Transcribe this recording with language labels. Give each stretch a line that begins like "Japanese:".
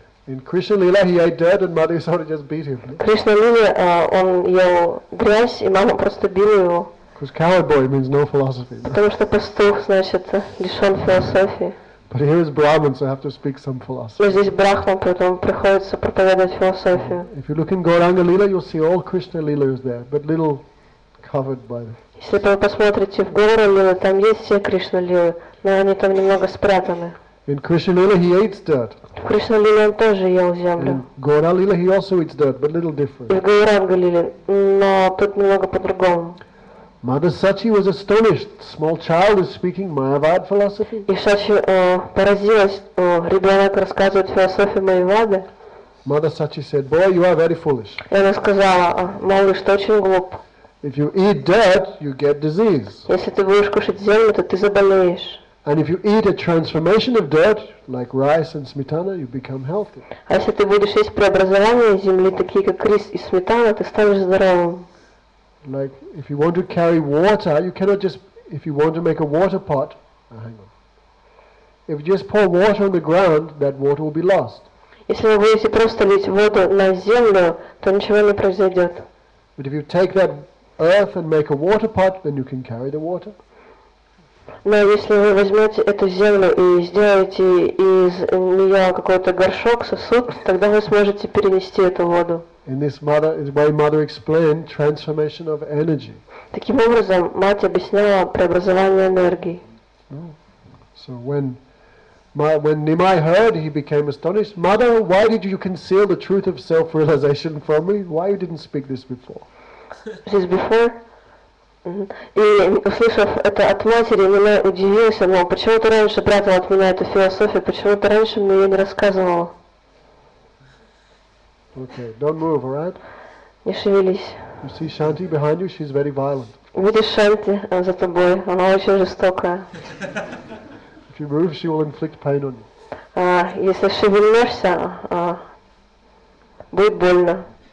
English: In Krishna Lila he ate dirt and Mother Yasoda just beat him.
Russian: Krishna Lila он ел грязь и мама просто била его.
English: Because coward boy means no philosophy.
Russian: Потому что пастух значит лишен философии.
English: But here is Brahman, so I have to speak some philosophy.
Russian: Но здесь Брахман, поэтому приходится проповедовать философию.
English: If you look in Gauranga Lila, you'll see all Krishna Lila is there, but little covered by.
Russian: Если вы посмотрите в Гауранга Лилу, там есть все Кришна Лилы, но они там немного спрятаны.
English: In Krishna Lila he eats dirt.
Russian: В Кришна Лиле он тоже ел землю.
English: In Gauranga Lila he also eats dirt, but little different.
Russian: В Гауранга Лиле, но тут немного по-другому.
English: Mother Sachi was astonished. Small child is speaking Mayavad philosophy.
Russian: И Сачи поразилась, ребенок рассказывает философию Майявады.
English: Mother Sachi said, "Boy, you are very foolish."
Russian: И она сказала, малыш, ты очень глуп.
English: If you eat dirt, you get disease.
Russian: Если ты будешь кушать землю, то ты заболеешь.
English: And if you eat a transformation of dirt, like rice and smetana, you become healthy.
Russian: А если ты будешь есть преобразование земли, такие как рис и сметана, ты станешь здоровым.
English: Like if you want to carry water, you cannot just if you want to make a water pot. Oh, hang on. If you just pour water on the ground, that water will be lost.
Russian: Если вы будете просто лить воду на землю, то ничего не произойдет.
English: But if you take that earth and make a water pot, then you can carry the water.
Russian: Но если вы возьмете эту землю и сделаете из нее какой-то горшок, сосуд, тогда вы сможете перенести эту воду.
English: In this mother, in the way mother explained transformation of energy.
Russian: Таким образом, мать объясняла преобразование энергии.
English: So when Nimai heard, he became astonished. Mother, why did you conceal the truth of self-realization from me? Why you didn't speak this before? This before?
Russian: И услышав это от матери, она удивилась, она говорила, почему ты раньше прятал от меня эту философию, почему ты раньше мне ее не рассказывал?
English: Okay, don't move, alright?
Russian: Не шевелись.
English: You see Shanti behind you? She's very violent.
Russian: Видишь Шанти за тобой? Она очень жестокая.
English: If you move, she will inflict pain on you.
Russian: Если шевельнешься, будет больно.